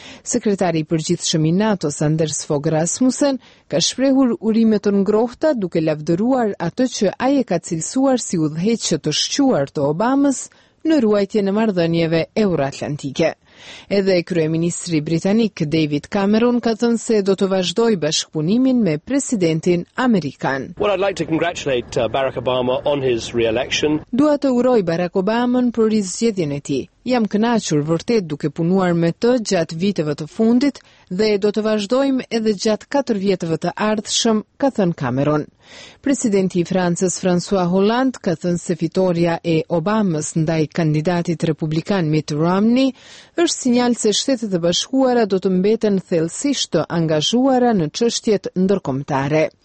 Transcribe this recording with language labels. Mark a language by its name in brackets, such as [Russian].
[Albanian] Sekretari i përgjithshëm i NATO-s Anders Fogh Rasmussen ka shprehur urime të ngrohta duke lavdëruar atë që ai e ka cilësuar si udhëheqje të shquar të Obamës në ruajtjen e marrëdhënieve euroatlantike. Edhe kryeministri britanik David Cameron ka thënë se do të vazhdojë bashkëpunimin me presidentin amerikan. [English] Well, I'd like to congratulate Barack Obama on his re-election. [Albanian] Dua të uroj Barack Obamën për rizgjedhjen e tij. Jam kënaqur vërtet duke punuar me të gjatë viteve të fundit dhe do të vazhdojmë edhe gjatë 4 viteve të ardhshëm, ka thënë Cameron. Presidenti i Francës François Hollande ka thënë se fitoria e Obamës ndaj kandidatit republikan Mitt Romney është sinjal se Shtetet e Bashkuara do të mbeten thellësisht të angazhuara në çështjet ndërkombëtare.